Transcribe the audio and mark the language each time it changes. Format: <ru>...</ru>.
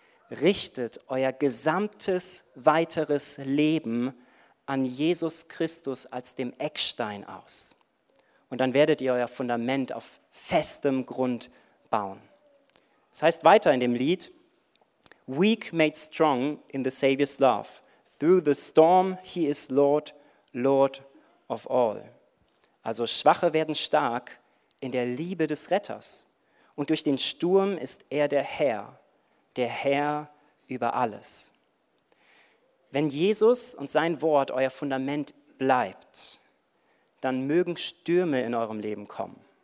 <de>Richtet euer gesamtes weiteres Leben an Jesus Christus als dem Eckstein aus. Und dann werdet ihr euer Fundament auf festem Grund bauen. Es heißt weiter in dem Lied,</de> <en>weak made strong in the Savior's love. Through the storm he is Lord, Lord of all.</en> <de>Also Schwache werden stark in der Liebe des Retters. Und durch den Sturm ist er der Herr über alles. Wenn Jesus und sein Wort euer Fundament bleibt, dann mögen Stürme in eurem Leben kommen.</de>